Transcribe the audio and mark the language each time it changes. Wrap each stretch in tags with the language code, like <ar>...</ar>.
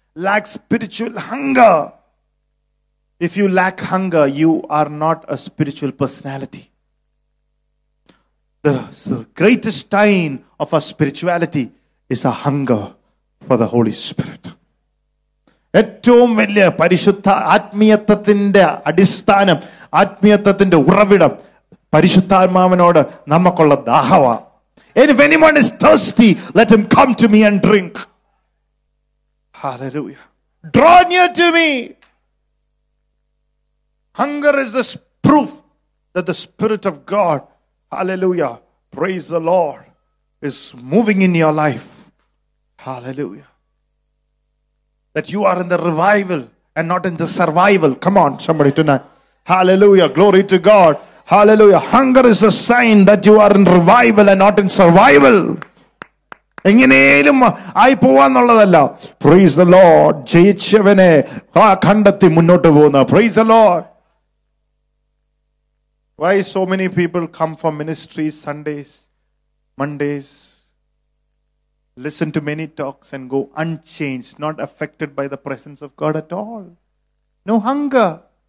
<en>Lack spiritual hunger. If you lack hunger, you are not a spiritual personality. The greatest sign of our spirituality is a hunger for the Holy Spirit.</en> <ml>ഏറ്റവും വലിയ പരിശുദ്ധ ആത്മീയത്വത്തിന്റെ അടിസ്ഥാനം, ആത്മീയത്വത്തിന്റെ ഉറവിടം പരിശുദ്ധാത്മാവിനോട് നമുക്കുള്ള ദാഹമാണ്.</ml> <en>If anyone is thirsty, let him come to me and drink. Hallelujah. Draw near to me. Hunger is the proof that the Spirit of God, hallelujah, praise the Lord, is moving in your life. Hallelujah. That you are in the revival and not in the survival. Come on, somebody tonight. Hallelujah. Glory to God. Hallelujah. Hunger is a sign that you are in revival and not in survival.</en> <ml>എങ്ങനെയും ആയി പോവാന്നുള്ളതല്ല.</ml> <en>Praise the Lord.</en> <ml>ജയിച്ചവനെ കണ്ടെത്തി മുന്നോട്ട് പോകുന്ന.</ml> <en>Praise the Lord. Why so many people come for ministries Sundays, Mondays? Listen to many talks and go unchanged, not affected by the presence of God at all. No hunger.</en>